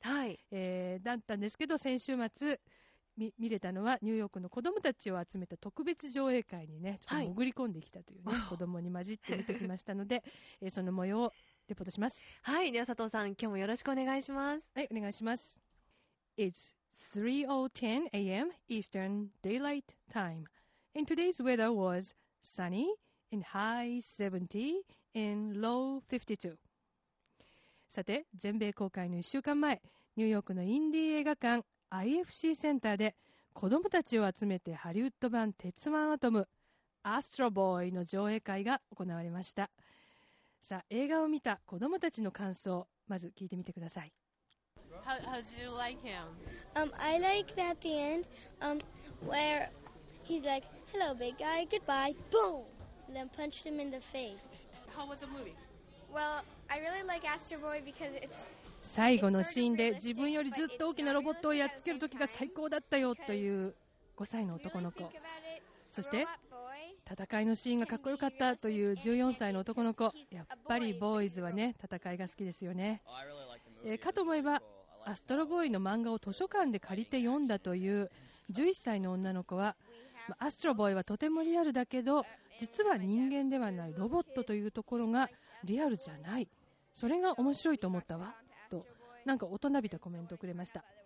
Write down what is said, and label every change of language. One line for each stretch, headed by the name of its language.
Japanese: はい、だったんですけど、先週末見れたのはニューヨークの子どもたちを集めた特別上映会にね、ちょっと潜り込んできたという、ね、はい、子どもに混じって見てきましたので、その模様をレポートします。はい、では佐藤さん、今日もよろしくお願いします。はい、お願いします。
English: It's 3:10 AM Eastern Daylight Time and today's weather was sunnyIn high 70 and low 52.
Japanese: さて、全米公開の1週間前、ニューヨークのインディー映画館 IFC センターで子供たちを集めてハリウッド版鉄腕アトムアストロボーイの上映会が行われました。さあ、映画を見た子供たちの感想、まず聞いてみてください。
English: How did you like him? I like that the end where he's like, hello big guy, goodbye, boom! And then punched him in the face. How was the movie? Well, I really like Astro Boy because it's
Japanese: 最後のシーンで自分よりずっと大きなロボットをやっつける時が最高だったよという5歳の男の子、そして戦いのシーンがかっこよかったという14歳の男の子、やっぱりボーイズはね戦いが好きですよね。かと思えばアストロボーイの漫画を図書館で借りて読んだという11歳の女の子は、アストロボーイはとてもリアルだけど実は人間ではないロボットというところがリアルじゃない、それが面白いと思ったわと、なんか大人びたコメントをくれました。